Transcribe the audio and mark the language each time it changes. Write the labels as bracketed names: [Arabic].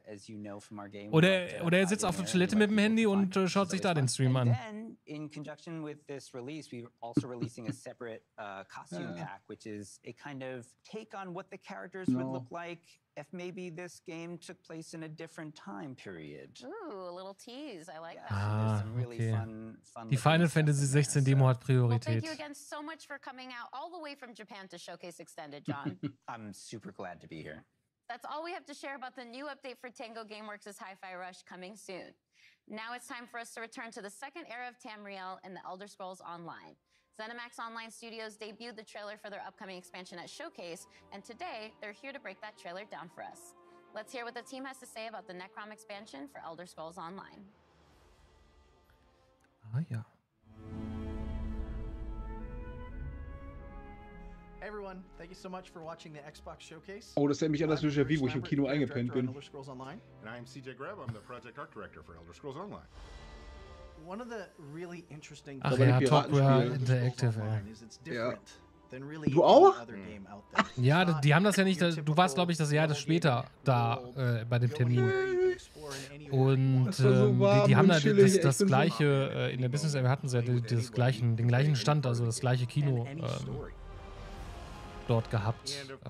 [German] Oder er sitzt auf der Toilette mit dem Handy und schaut sich da den Stream an. [English] In conjunction with this release, we're also releasing a separate costume pack, which is a kind of take on what the characters would look like if maybe this game took place in a different time period. Ooh, a little tease. I like [German] that. Ah, okay. Die Final Fantasy 16 Demo hat Priorität. [English] Well, thank you again so much for coming out all the way from Japan to Showcase Extended, John. I'm super glad to be here. That's all we have to share about the new update for Tango Gameworks' Hi-Fi Rush coming soon. Now it's time for us to return to the second era of Tamriel in the Elder Scrolls Online. ZeniMax Online Studios debuted the trailer for their upcoming expansion at Showcase, and today they're here to break that trailer down for us. Let's hear what the team has to say about the Necrom expansion for Elder Scrolls Online. [German] Ah, ja. [English] Hey everyone, thank you so much for watching the Xbox Showcase. [German] Oh, das erinnert mich an das Déjà-vu, wo ich im Kino eingepennt bin. [English] And I'm CJ Greb, I'm the Project Art Director for Elder Scrolls Online. One of the really interesting things about the Elder Scrolls Interactive Online is it's different than really any other game out there. [German] Ja, die haben das ja nicht, du warst glaube ich das Jahr das später da bei dem Termin. Und die haben da das gleiche, in der Business Area hatten sie ja den gleichen Stand, also das gleiche Kino dort gehabt.